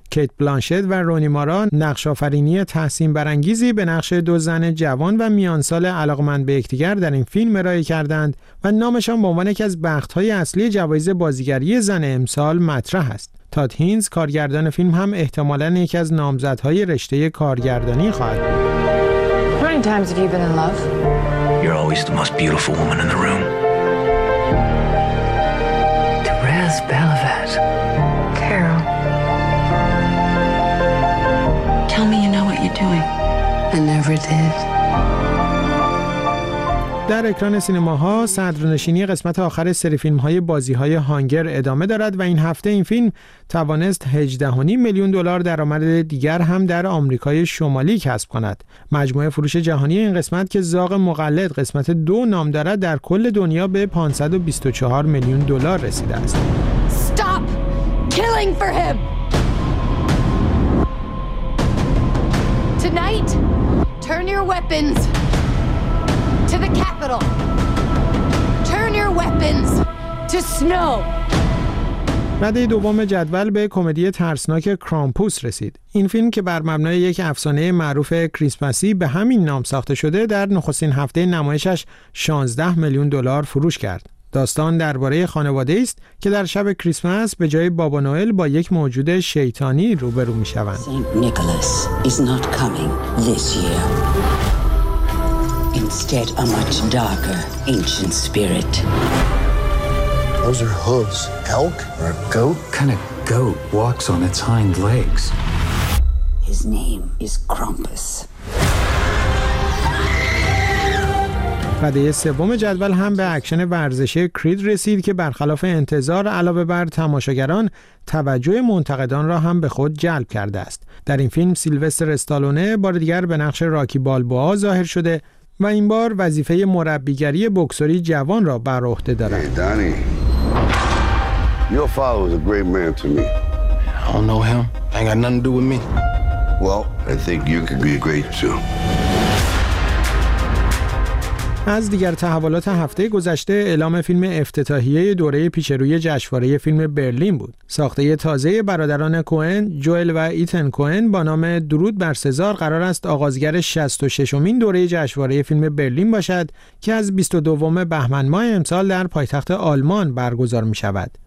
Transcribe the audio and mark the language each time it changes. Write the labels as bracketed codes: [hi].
[fa] کیت بلانشت و رونی مارا نقش‌آفرینی تحسین برانگیزی به نقش 2 زن جوان و میانسال علاقمند به یکدیگر در این فیلم ارائه کردند و نامشان به عنوان یکی از بخت‌های اصلی جوایز بازیگری زن امسال مطرح است. تاد هینز کارگردان فیلم هم احتمالاً یکی از نامزدهای رشته کارگردانی خواهد بود. [en] You're always the most beautiful woman in the room. Therese Bellevet. Carol. Tell me you know what you're doing. I never did. [fa] در اکران سینماها صدرنشینی قسمت آخر سری فیلم‌های بازی‌های هانگر ادامه دارد و این هفته این فیلم توانست 18.5 میلیون دلار درآمد دیگر هم در آمریکای شمالی کسب کند. مجموعه فروش جهانی این قسمت که زاغ مقلد قسمت 2 نام دارد در کل دنیا به 524 میلیون دلار رسیده است. [en] Stop killing for him. Tonight, turn your weapons. To the capital. Turn your weapons to snow. [fa] رده دوم جدول به کمدی ترسناک کرامپوس رسید. این فیلم که بر مبنای یک افسانه معروف کریسمسی به همین نام ساخته شده، در نخستین هفته نمایشش 16 میلیون دلار فروش کرد. داستان درباره خانواده است که در شب کریسمس به جای بابا نوئل با یک موجود شیطانی روبرو می شوند. [en] Saint Nicholas is not coming this year. Instead a much darker ancient spirit. Those are hooves. Elk or a goat? Kind of goat walks on its hind legs. His name is Krampus. [fa] رده سوم جدول هم به اکشن ورزشی کرید رسید که برخلاف انتظار علاوه بر تماشاگران، توجه منتقدان را هم به خود جلب کرده است. در این فیلم سیلوستر استالونه بار دیگر به نقش راکی بالبوا ظاهر شده و این بار وظیفه مربیگری بوکسری جوان را بر عهده دارد. [en] Hey, Danny. Your father was a great man to me. I don't know him. Ain't got nothing to do with me. Well, I think you could be great too. [fa] از دیگر تحولات هفته گذشته، اعلام فیلم افتتاحیه دوره پیش روی جشنواره فیلم برلین بود. ساخته تازه برادران کوئن، جوئل و ایتن کوئن با نام درود بر سزار قرار است آغازگر 66مین دوره جشنواره فیلم برلین باشد که از 22 بهمن ماه امسال در پایتخت آلمان برگزار می شود.